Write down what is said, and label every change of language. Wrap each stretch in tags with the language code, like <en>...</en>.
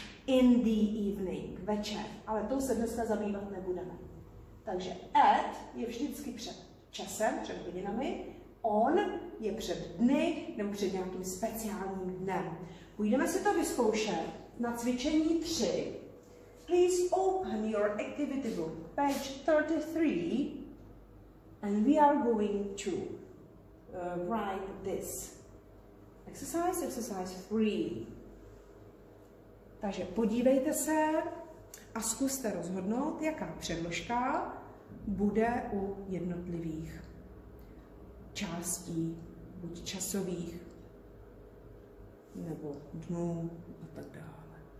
<en>In the evening,</en> <cs>večer. Ale to se dneska zabývat nebudeme. Takže at je vždycky před časem, před hodinami. On je před dny nebo před nějakým speciálním dnem. Půjdeme si to vyzkoušet na cvičení 3.</cs> <en>Please open your activity book, page 33. And we are going to write this. Exercise 3.</en> <cs>Takže podívejte se a zkuste rozhodnout, jaká předložka bude u jednotlivých částí, buď časových, nebo dnů a tak dále.</cs>